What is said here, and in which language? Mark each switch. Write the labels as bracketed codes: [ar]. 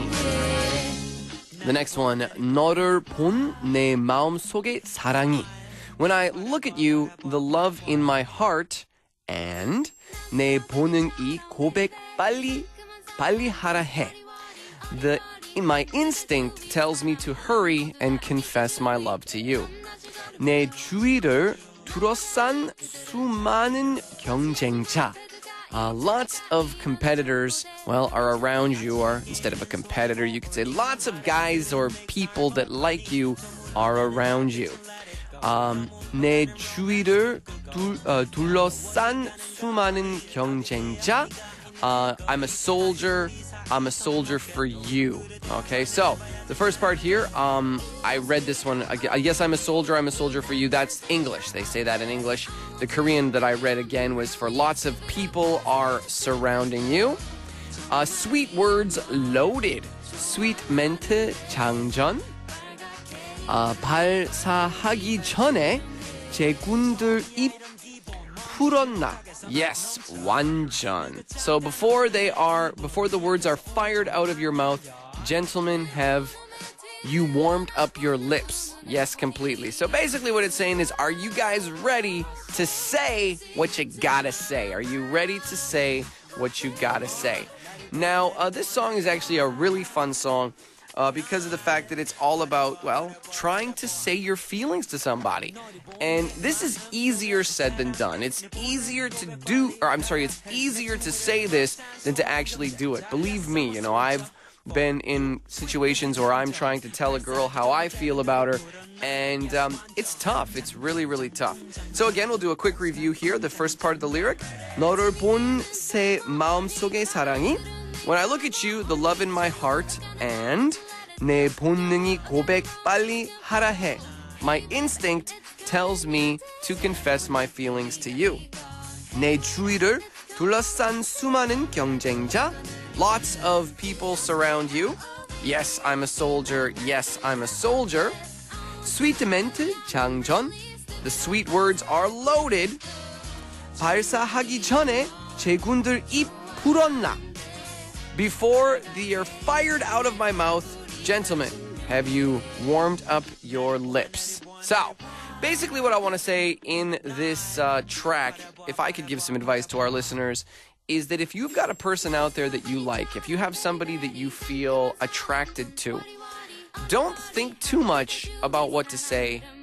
[en] The next one, [ko] 너를 본 내 마음속에 사랑이. [en] When I look at you, the love in my heart, and [ko] 내 보는 이 고백 빨리, 빨리 하라 해. [en] My instinct tells me to hurry and confess my love to you. [ko] 내 주위를 둘러싼 수많은 경쟁자. [en] Lots of competitors, well, are around you, or instead of a competitor, you could say lots of guys or people that like you are around you. [ko] 내 주위를 둘러싼 수많은 경쟁자. [en] I'm a soldier for you. Okay, so the first part here, I read this one. Yes, I'm a soldier for you. That's English. They say that in English. The Korean that I read again was for lots of people are surrounding you. Sweet words loaded. Sweet [ko] 멘트 장전. 발사하기 전에 제 군들 입 풀었나. [en] Yes, [ko] 완전. [en] So before the words are fired out of your mouth, gentlemen, have you warmed up your lips? Yes, completely. So basically what it's saying is, are you guys ready to say what you gotta say? Are you ready to say what you gotta say? Now, this song is actually a really fun song because of the fact that it's all about, well, trying to say your feelings to somebody. And this is easier said than done. It's easier to say this than to actually do it. Believe me, you know, I've been in situations where I'm trying to tell a girl how I feel about her, and it's tough. It's really, really tough. So again, we'll do a quick review here. The first part of the lyric, [ko] 너를 본 새 마음속에 사랑이. [en] When I look at you, the love in my heart, and [ko] 내 본능이 고백 빨리 하라 해. [en] My instinct tells me to confess my feelings to you. [ko] 내 주위를 둘러싼 수많은 경쟁자. [en] Lots of people surround you. Yes, I'm a soldier. Yes, I'm a soldier. [ko] 스위트멘트 장전. [en] The sweet words are loaded. [ko] 발사하기 전에 제 군들 입 풀었나. [en] Before they are fired out of my mouth, gentlemen, have you warmed up your lips? So, basically what I want to say in this track, if I could give some advice to our listeners, is that if you've got a person out there that you like, if you have somebody that you feel attracted to, don't think too much about what to say.